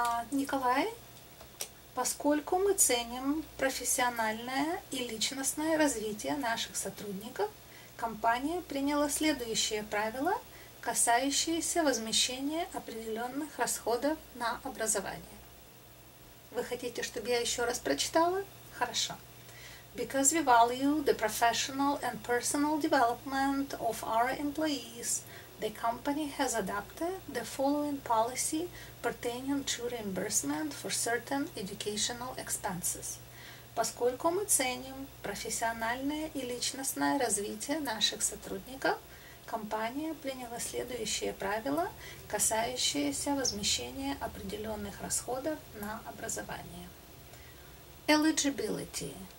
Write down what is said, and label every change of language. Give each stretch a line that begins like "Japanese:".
Russian: Николай, поскольку мы ценим профессиональное и личностное развитие наших сотрудников, компания приняла следующие правила, касающиеся возмещения определенных расходов на образование. Вы хотите, чтобы я еще раз прочитала? Хорошо.
English: Because we value the professional and personal development of our employees, the company has adopted the following policy pertaining to reimbursement for certain educational expenses.
Russian: Поскольку мы ценим профессиональное и личностное развитие наших сотрудников, компания приняла следующие правила, касающиеся возмещения определенных расходов на образование.
English: Eligibility.